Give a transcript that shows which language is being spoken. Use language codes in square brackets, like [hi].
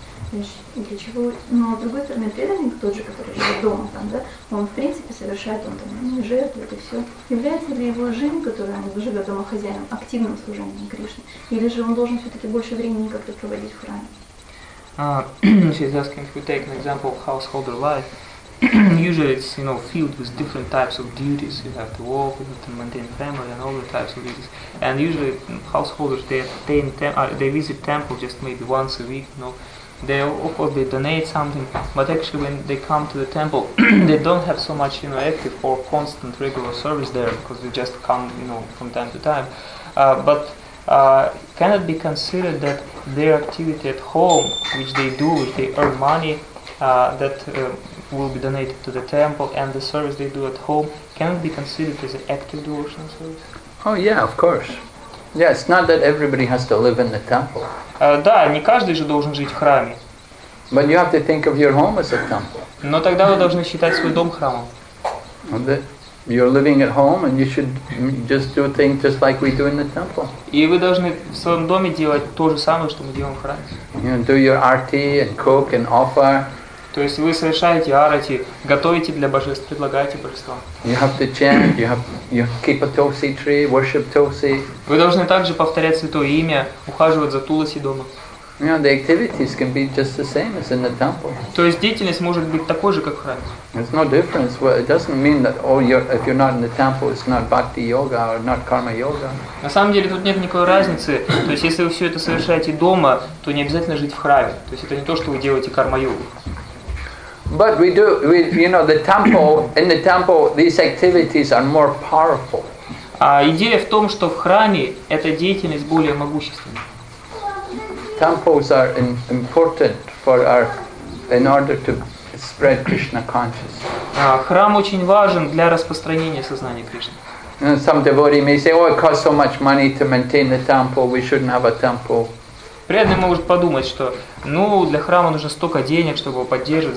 [ru] Для чего? Но другой стороны, преданник тот же, который живет дома, там, да, он в принципе совершает, он там жертвует и все. Является ли его жизнь, которая живет дома хозяином, активным служением Кришны? Или же он должен все-таки больше времени как-то проводить в храме? [en] She's asking if we take an example of householder life. Usually it's filled with different types of duties. You have to work, you have to maintain family and all the types of duties. And usually householders they visit temple just maybe once a week, They of course they donate something, but actually when they come to the temple they don't have so much active or constant regular service there because they just come from time to time. Can it be considered that their activity at home, which they do, which they earn money, will be donated to the temple, and the service they do at home, can it be considered as an active devotional service? Oh yeah, of course. Yeah, it's not that everybody has to live in the temple. [ru] Да, не каждый же должен жить в храме. [en] But you have to think of your home as a temple. [ru] Но тогда вы должны считать свой дом храмом. [en] You're living at home, and you should just do things just like we do in the temple. [ru] И вы должны в своем доме делать то же самое, что мы делаем в храме. [en] Do your arati and cook and offer. [ru] То есть вы совершаете арати, готовите для божеств, предлагаете божествам. [en] You have to chant, you keep a tulsi tree, worship tulsi. [ru] Вы должны также повторять святое имя, ухаживать за туласи дома. [en] The activities can be just the same as in the temple. [ru] То есть деятельность может быть такой же, как в храме. [en] There's no difference. Well, it doesn't mean that if you're not in the temple, it's not bhakti yoga or not karma yoga. [ru] На самом деле тут нет никакой разницы. То есть если вы все это совершаете дома, то не обязательно жить в храме. То есть это не то, что вы делаете карма йогу. [en] But we do. In the temple, these activities are more powerful. [ru] А идея в том, что в храме эта деятельность более могущественна. [en] Temples are important in order to spread Krishna consciousness. [ru] Храм очень важен для распространения сознания Кришны. [en] Some devotees may say, "Oh, it costs so much money to maintain the temple. We shouldn't have a temple." [ru] Преданный может подумать, что, для храма нужно столько денег, чтобы его поддерживать.